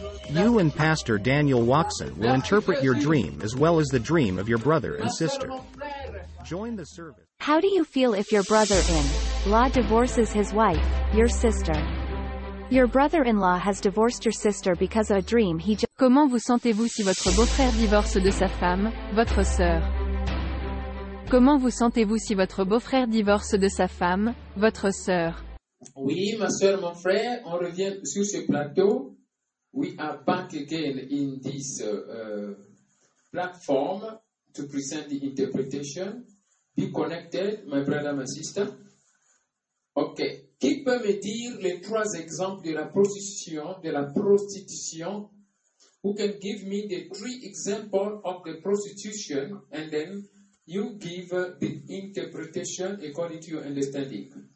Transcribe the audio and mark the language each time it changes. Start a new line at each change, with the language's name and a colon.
English: You and Pastor Daniel Waxon will interpret your dream as well as the dream of your brother and sister. Join the service. How do you feel if your brother-in-law divorces his wife, your sister? Your brother-in-law has divorced your sister because of a dream he just...
French: Comment vous sentez-vous si votre beau-frère divorce de sa femme, votre sœur? Comment vous sentez-vous si votre beau-frère divorce de sa femme, votre sœur? Oui, ma sœur, mon frère, on revient sur ce plateau.
English: We are back again in this platform to present the interpretation. Be connected, my brother, my sister. Ok.
French: Qui peut me dire les trois exemples de la prostitution,
English: Who can give me the three examples of the prostitution and then you give the interpretation according to your understanding?